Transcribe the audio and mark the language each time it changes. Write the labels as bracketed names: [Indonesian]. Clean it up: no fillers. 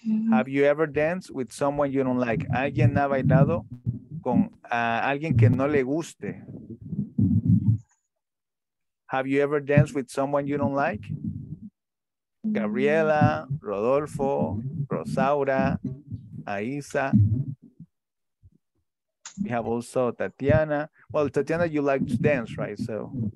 [English] Have you ever danced with someone you don't like? [Spanish] ¿Alguien ha bailado con alguien que no le guste? [English] Have you ever danced with someone you don't like? Gabriela, Rodolfo, Rosaura, Aisa. We have also Tatiana. Well, Tatiana, you like to dance, right? So.